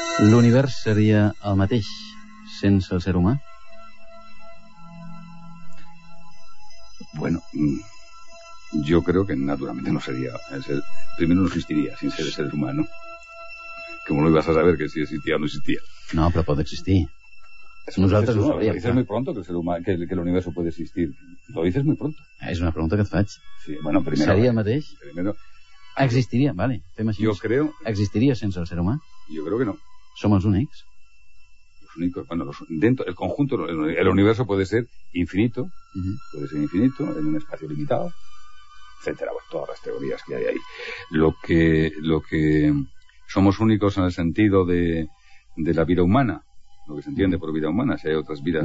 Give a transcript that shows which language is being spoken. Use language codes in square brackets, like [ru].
[ca] L'univers seria el mateix sense el ser humà? [es] Bueno, yo creo que naturalmente no sería. Primero no existiría sin ser el ser humano. ¿Cómo lo ibas a saber que si existía o no existía? No, pero puede existir. [ca] Nosaltres ho sabríem. [es] Dices muy pronto que [ca] el ser humà, que l'univers [es] puede existir. Lo dices muy pronto. [ca] És una pregunta que et faig. [es] Sí, bueno, primero... [ca] Seria el mateix? [es] Primero... [ca] Existiria, [es] vale. [ca] Fem així. [es] Yo creo... [ca] Existiria sense el ser humà? [es] Yo creo que no. [ca] Som els únics? [es] Los únicos, bueno, dentro, el conjunto, el universo puede ser infinito, puede ser infinito, en un espacio limitado, etcétera, pues todas las teorías que hay ahí. Lo que somos únicos en el sentido de la vida humana, lo que se entiende por vida humana, si hay otras vidas.